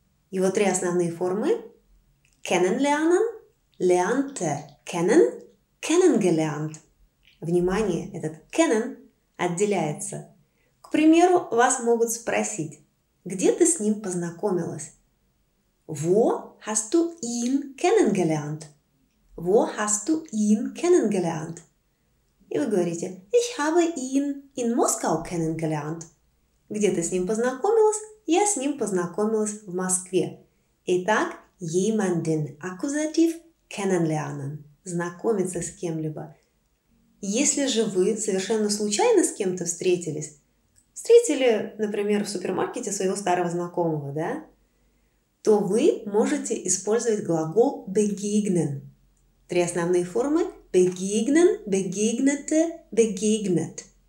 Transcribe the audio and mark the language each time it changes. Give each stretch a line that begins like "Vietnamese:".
Russian: Его три основные формы – «kennenlernen», «lernte», «kennen», «kennengelernt». Внимание, этот «kennen» отделяется. К примеру, вас могут спросить, где ты с ним познакомилась?
German: Wo hast du ihn kennengelernt? Wo hast du ihn kennengelernt?
Russian: И вы говорите,
German: ich habe ihn in Moskau kennengelernt.
Russian: Где ты с ним познакомилась? Я с ним познакомилась в Москве. Итак,
German: jemanden akkusativ kennenlernen.
Russian: Знакомиться с кем-либо. Если же вы совершенно случайно с кем-то встретились, встретили, например, в супермаркете своего старого знакомого, да? То вы можете использовать глагол begegnen. Три основные формы – begegnen, begegnete, begegnet.